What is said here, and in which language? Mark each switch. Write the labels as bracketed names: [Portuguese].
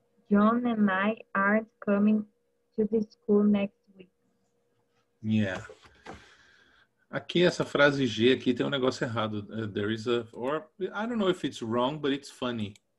[English] John and I aren't coming to the school next week. Yeah. [Portuguese] Aqui essa frase G aqui tem um negócio errado. [English] There is a, or I don't know if it's wrong, but it's funny.